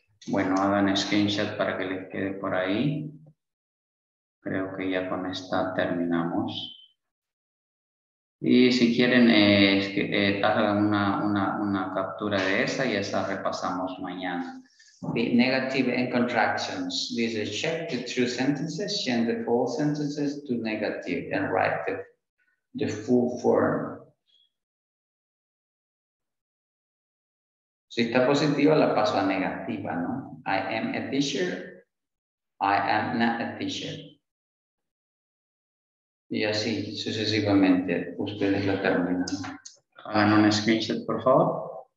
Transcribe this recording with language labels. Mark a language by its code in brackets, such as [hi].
[es] Bueno, hagan screenshot para que les quede por ahí. Creo que ya con esta terminamos. Y si quieren, hagan una captura de esa y esa repasamos mañana. [en] The negative and contractions. This is check the true sentences, change the false sentences to negative and write the full form. [es] Si está positiva, la paso a negativa, ¿no? [en] I am a teacher. I am not a teacher. [es] Y así sucesivamente, ustedes la terminan. Hagan un screenshot, por favor.